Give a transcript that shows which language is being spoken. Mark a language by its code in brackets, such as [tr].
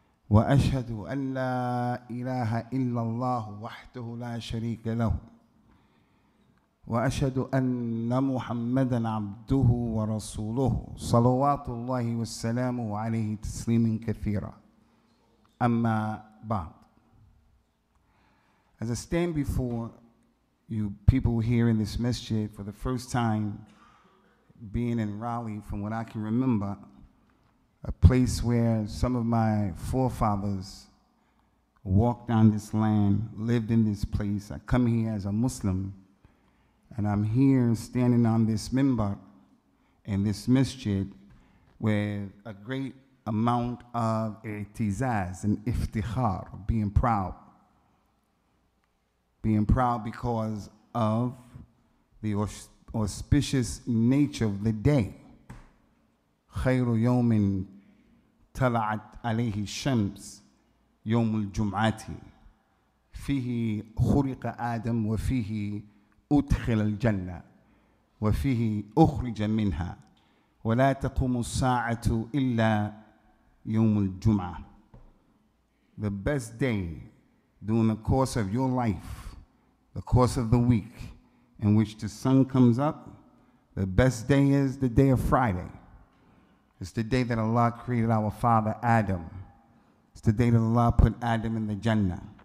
[ar] وأشهد أن لا إله إلا الله وحده لا شريك له وأشهد أن محمدًا عبده ورسوله صلوات الله والسلام عليه تسليما كثيرا أما بعد. [en] As I stand before you people here in this masjid for the first time, being in Raleigh from what I can remember, a place where some of my forefathers walked on this land, lived in this place, I come here as a Muslim. And I'm here standing on this minbar in this masjid with a great amount of i'tizaz and iftikhar, being proud. Being proud because of the auspicious nature of the day. [ar] خَيْرُ يَوْمٍ تَلَعَتْ عَلَيْهِ الشَّمْسِ يَوْمُ الْجُمْعَةِ فِيهِ خُرِقَ آدَمْ وَفِيهِ أدخل الجنة وفيه أخرج منها ولا تقوم الساعة إلا يوم الجمعة. [en] The best day during the course of your life, the course of the week in which the sun comes up, the best day is the day of Friday. It's the day that Allah created our father Adam. It's the day that Allah put Adam in the Jannah.